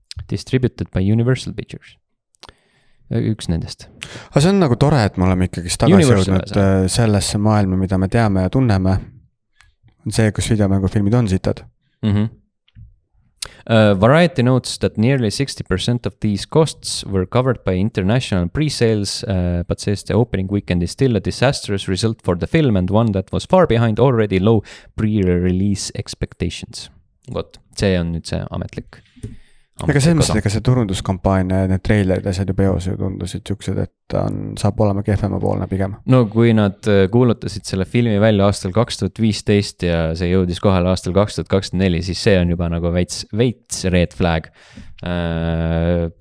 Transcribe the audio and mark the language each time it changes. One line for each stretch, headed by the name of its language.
English: distributed by Universal Pictures .
Estonian: Üks nendest . aga see on nagu tore , et me oleme ikkagist tagasi Universal jõudnud sellesse maailma , mida me teame ja tunneme . on see , kus videomängufilmid on sitad .
English: Variety notes that nearly 60% of these costs were covered by international pre-sales, but says the opening weekend is still a disastrous result for the film and one that was far behind already low pre-release expectations .
Estonian: vot , see on nüüd see ametlik . ega selles mõttes , et ega see turunduskampaania ja need treilerid ja asjad juba eos ju tundusid siuksed , et on , saab olema kehvemapoolne pigem . no kui nad kuulutasid selle filmi välja aastal 2015 ja see jõudis kohale aastal 2024, siis see on juba nagu veits
English: red flag .